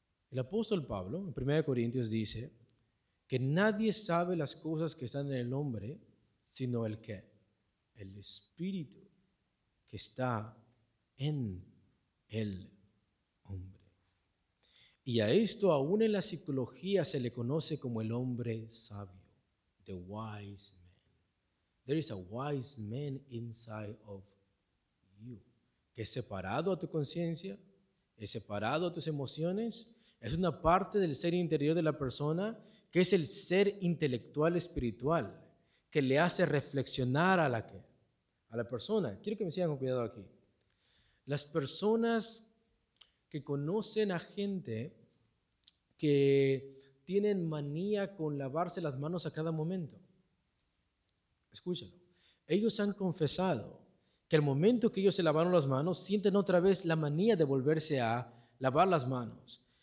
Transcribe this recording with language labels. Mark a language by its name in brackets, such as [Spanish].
[Spanish] El apóstol Pablo, en 1 Corintios, dice que nadie sabe las cosas que están en el hombre, sino el, ¿qué? El espíritu que está en el hombre. Y a esto, aún en la psicología, se le conoce como el hombre sabio, [English] the wise man. There is a wise man inside of you. [Spanish] Es separado a tu conciencia, es separado a tus emociones, es una parte del ser interior de la persona que es el ser intelectual espiritual que le hace reflexionar a la persona. Quiero que me sigan con cuidado aquí. Las personas que conocen a gente que tienen manía con lavarse las manos a cada momento, escúchalo, ellos han confesado que al momento que ellos se lavaron las manos, sienten otra vez la manía de volverse a lavar las manos.